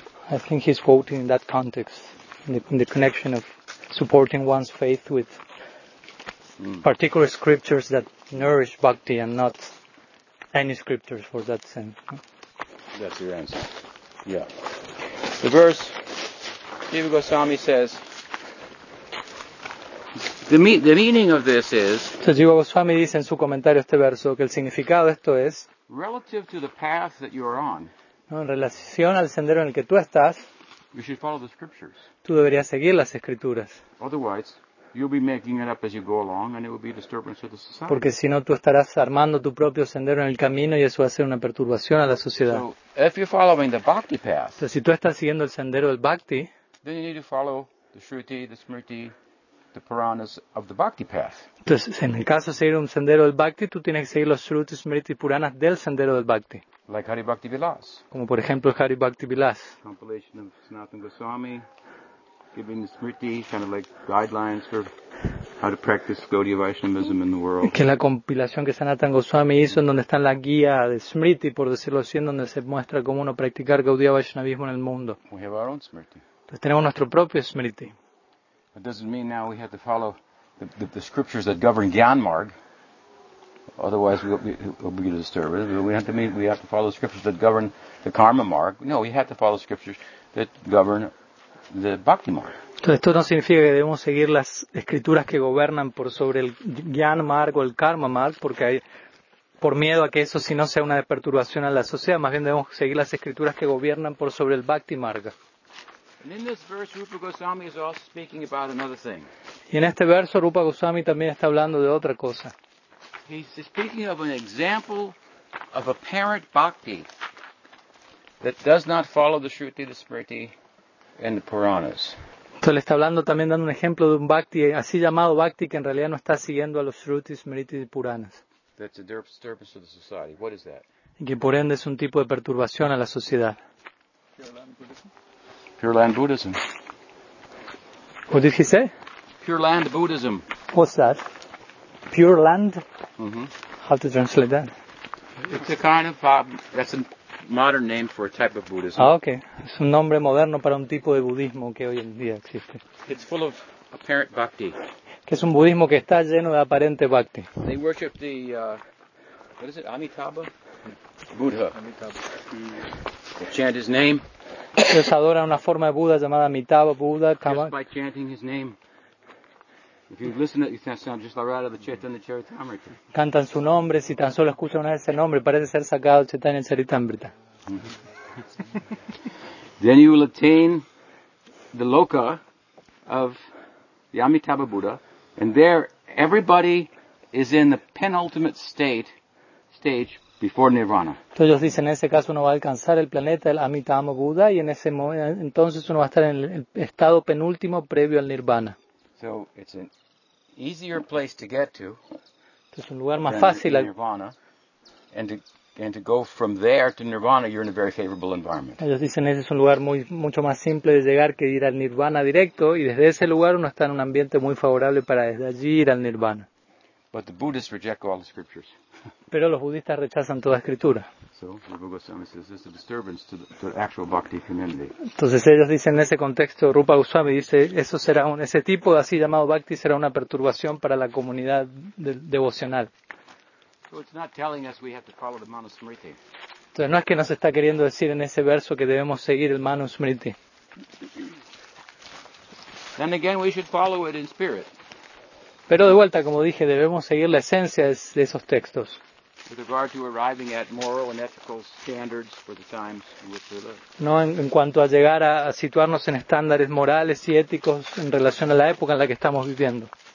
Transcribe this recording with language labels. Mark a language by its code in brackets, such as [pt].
[en] I think he's quoting in that context, in the connection of supporting one's faith with particular scriptures that nourish bhakti and not any scriptures for that sense. That's your answer. Yeah. The verse, Jiva Goswami says, the meaning of this is, [es] so Jiva Goswami dice en su comentario este verso que el significado de esto es, [en] relative to the path that you are on, [es] ¿no? En relación al sendero en el que tú estás, [en] you should follow the scriptures. [es] Tú deberías seguir las escrituras. [en] Otherwise, you'll be making it up as you go along and it will be a disturbance to the society. [es] Porque si no, tú estarás armando tu propio sendero en el camino y eso va a ser una perturbación a la sociedad. [en] So, if you're following the bhakti path, [es] so si tú estás siguiendo el sendero del bhakti, [en] then you need to follow the shruti, the smriti, the Puranas of the Bhakti path. [es] Entonces, en el caso de seguir un sendero del Bhakti, tú tienes que seguir los Shruti, Smriti y Puranas del sendero del Bhakti. [en] Like Hari Bhakti Vilas. [es] Como por ejemplo Hari Bhakti Vilas. [en] Compilation of Sanatana Goswami, giving the Smriti, kind of like guidelines for how to practice Gaudiya Vaishnavism in the world. [es] Que la compilación que Sanatana Goswami hizo, en donde está la guía de Smriti, por decirlo así, en donde se muestra cómo uno practicar Gaudiya Vaishnavismo en el mundo. [en] We have our own Smriti. [es] Entonces tenemos nuestro propio Smriti. [en] It doesn't mean now we have to follow the scriptures that govern Gyanmarg. Otherwise, we'll be disturbed. We have to follow the scriptures that govern the Karma Marg. No, we have to follow scriptures that govern the Bhakti Marg. [es] Entonces, esto no significa que debemos seguir las escrituras que gobernan por sobre el Gyanmarg o el Karma Marg, porque hay, por miedo a que eso si no sea una perturbación a la sociedad, más bien debemos seguir las escrituras que gobiernan por sobre el Bhakti Marg. [en] And in this verse, Rupa Goswami is also speaking about another thing. [es] Y en este verso, Rupa Goswami también está hablando de otra cosa. [en] He's speaking of an example of apparent bhakti that does not follow the Shruti, the Smriti, and the Puranas. [es] Entonces le está hablando también dando un ejemplo de un bhakti, así llamado bhakti, que en realidad no está siguiendo a los Shruti, Smriti y Puranas. [en] That's a disturbance to the society. What is that? [es] Y que por ende es un tipo de perturbación a la sociedad. [en] Pure Land Buddhism. What did he say? Pure Land Buddhism. What's that? Pure Land? Mm-hmm. How to translate that? It's a kind of, that's a modern name for a type of Buddhism. Ah, okay. [es] Es un nombre moderno para un tipo de budismo que hoy en día existe. [en] It's full of apparent bhakti. [es] Que es un budismo que está lleno de aparente bhakti. [en] They worship the, what is it, Amitabha? Buddha. Amitabha. They chant his name. [es] Ellos adoran una forma de Buda llamada Amitabha Buddha. [en] Just by chanting his name. If you listen to it, you sound just like Radha, the Chaitanya Charitamrita. [es] Cantan su nombre, si tan solo escuchan una vez ese nombre, parece ser sacado del Chaitanya Charitamrita. [en] Then you will attain the loka of the Amitabha Buddha, and there everybody is in the penultimate stage. Before Nirvana. [es] Entonces ellos dicen, en ese caso uno va a alcanzar el planeta del Amitabha Buddha y en ese momento entonces uno va a estar en el estado penúltimo previo al Nirvana. [en] So it's an easier place to get to. [es] Entonces es un lugar más fácil. [en] Nirvana. And to go from there to Nirvana, you're in a very favorable environment. [es] Ellos dicen, ese es un lugar mucho más simple de llegar que ir al Nirvana directo y desde ese lugar uno está en un ambiente muy favorable para desde allí ir al Nirvana. [en] But the Buddhists reject all the scriptures. [es] Pero los budistas rechazan toda escritura. [en] So, Rupa Goswami says this is a disturbance to the actual bhakti community. [es] Entonces ellos dicen en ese contexto, Rupa Goswami dice, eso será un, ese tipo de así llamado bhakti será una perturbación para la comunidad devocional. [en] So it's not telling us we have to follow the Manusmriti. [es] Entonces no es que nos está queriendo decir en ese verso que debemos seguir el Manusmriti. [en] Then again, we should follow it in spirit. [es] Pero de vuelta, como dije, debemos seguir la esencia de esos textos. [en] With regard to arriving at moral and ethical standards for the times in which we live. [es] No, en cuanto a llegar a situarnos en estándares morales y éticos en relación a la época en la que estamos viviendo.